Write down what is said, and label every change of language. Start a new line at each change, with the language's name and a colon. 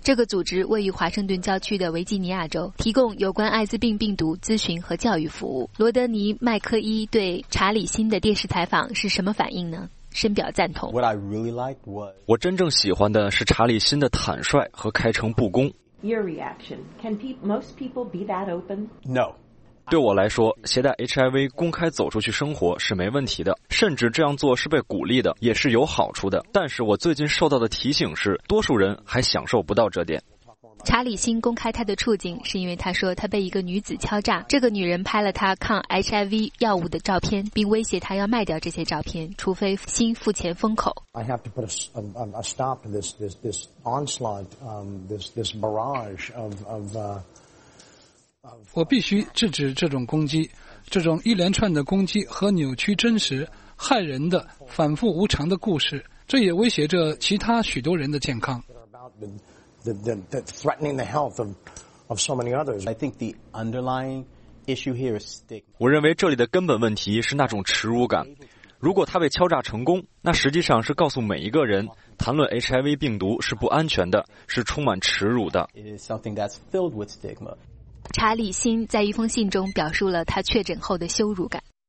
Chinese: 这个组织位于华盛顿郊区的维吉尼亚州，提供有关艾滋病病毒咨询和教育服务。罗德尼·麦克伊对查理辛的电视采访是什么反应呢？深表赞同。我真正喜欢的是查理辛的坦率和开诚布公。
English: Your reaction. Can most people be that open? No.
Chinese: 对我来说，携带 HIV 公开走出去生活是没问题的，甚至这样做是被鼓励的，也是有好处的。但是我最近受到的提醒是，多数人还享受不到这点。查理新公开他的处境，是因为他说他被一个女子敲诈，这个女人拍了他抗 HIV 药物的照片，并威胁他要卖掉这些照片，除非新付钱封口。
English: I have to put a stop to this onslaught, this barrage of
Chinese: 我必须制止这种攻击，这种一连串的攻击和扭曲真实、害人的、反复无常的故事，这也威胁着其他许多人的健康。
English: That threatening the health of so many others. I think the underlying issue here is stigma.
Chinese: 我认为这里的根本问题是那种耻辱感。如果他被敲诈成功，那实际上是告诉每一个人，谈论 HIV 病毒是不安全的，是充满耻辱的。
English: It is something that's filled with stigma.
Chinese: 查理新在一封信中表述了他确诊后的羞辱感。